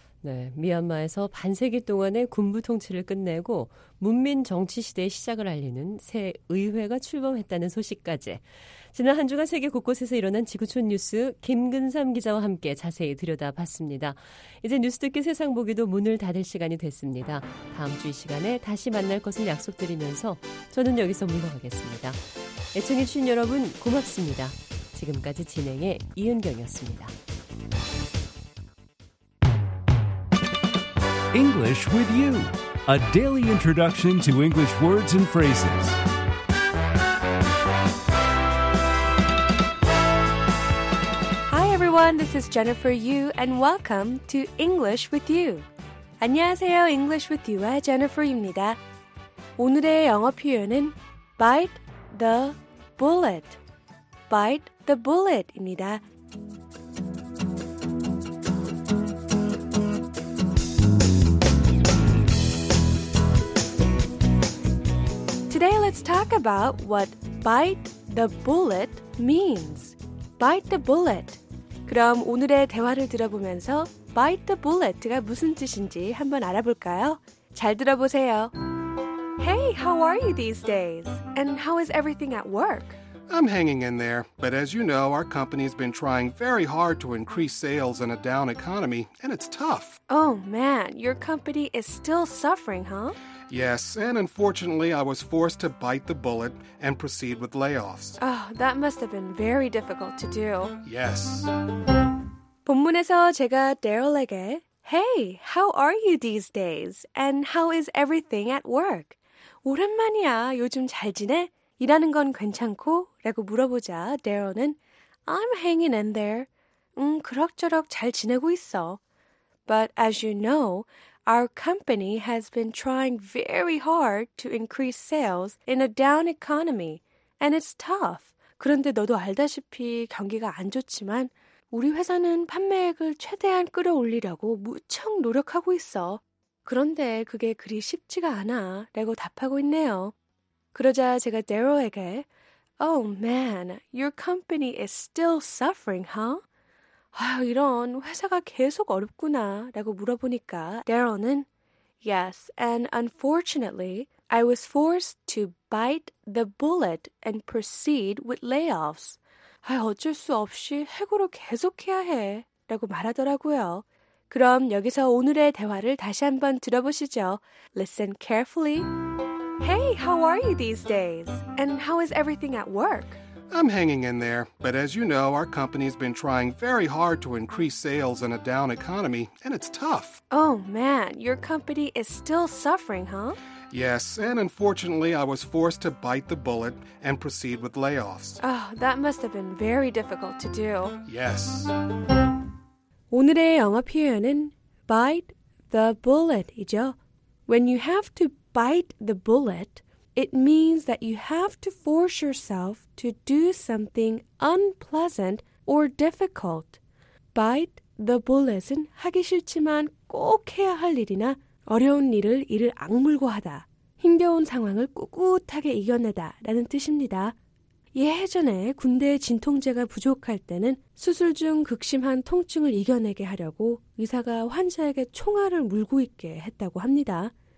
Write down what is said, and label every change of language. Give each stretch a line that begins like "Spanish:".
Korean: 네, 미얀마에서 반세기 동안의 군부 통치를 끝내고 문민 정치 시대의 시작을 알리는 새 의회가 출범했다는 소식까지 지난 한 주간 세계 곳곳에서 일어난 지구촌 뉴스 김근삼 기자와 함께 자세히 들여다봤습니다. 이제 뉴스 듣기 세상 보기도 문을 닫을 시간이 됐습니다. 다음 주 이 시간에 다시 만날 것을 약속드리면서 저는 여기서 물러가겠습니다. 애청해 주신 여러분 고맙습니다. 지금까지 진행의 이은경이었습니다.
English: English with you, a daily introduction to English words and phrases.
Korean: 여러분,
English: this is Jennifer Yu, and welcome to English with You.
Korean: 안녕하세요, English with You의 Jennifer입니다. 오늘의 영어 표현은 bite the bullet, bite the bullet입니다. 오늘
English: let's talk about what bite the bullet means. Bite the bullet.
Korean: 그럼 오늘의 대화를 들어보면서 bite the bullet가 무슨 뜻인지 한번 알아볼까요? 잘 들어보세요.
English: Hey, how are you these days? And how is everything at work? I'm hanging in there. But as you know, our company's been trying very hard to increase sales in a down economy, and it's tough. Oh man, your company is still suffering, huh? Yes, and unfortunately, I was forced to bite the bullet and proceed with layoffs. Oh, that must have been very difficult to do. Yes.
Korean: 본문에서 제가 Daryl에게,
English: Hey, how are you these days? And how is everything at work?
Korean: 오랜만이야, 요즘 잘 지내? 일하는 건 괜찮고? 라고 물어보자 Daryl은,
English: I'm hanging in there.
Korean: 그럭저럭 잘 지내고 있어.
English: But as you know, our company has been trying very hard to increase sales in a down economy, and it's tough.
Korean: 그런데 너도 알다시피 경기가 안 좋지만 우리 회사는 판매액을 최대한 끌어올리려고 무척 노력하고 있어. 그런데 그게 그리 쉽지가 않아 라고 답하고 있네요. 그러자 제가 Daryl에게
English: Oh man, your company is still suffering, huh?
Korean: 아유, 이런 회사가 계속 어렵구나 라고 물어보니까 Daryl은
English: Yes, and unfortunately, I was forced to bite the bullet and proceed with layoffs.
Korean: 아유, 어쩔 수 없이 해고로 계속해야 해 라고 말하더라고요. 그럼 여기서 오늘의 대화를 다시 한번 들어보시죠.
English: Listen carefully. Hey, how are you these days? And how is everything at work? I'm hanging in there, but as you know, our company's been trying very hard to increase sales in a down economy, and it's tough. Oh man, your company is still suffering, huh? Yes, and unfortunately, I was forced to bite the bullet and proceed with layoffs. Oh, that must have been very difficult to do. Yes.
Korean: 오늘의 영어 표현은 bite the bullet이죠.
English: When you have to bite the bullet, it means that you have to force yourself to do something unpleasant or difficult. Bite the bullet은
Korean: 하기 싫지만 꼭 해야 할 일이나 어려운 일을 이를 악물고 하다. 힘겨운 상황을 꿋꿋하게 이겨내다 라는 뜻입니다. 예전에 군대에 진통제가 부족할 때는 수술 중 극심한 통증을 이겨내게 하려고 의사가 환자에게 총알을 물고 있게 했다고 합니다.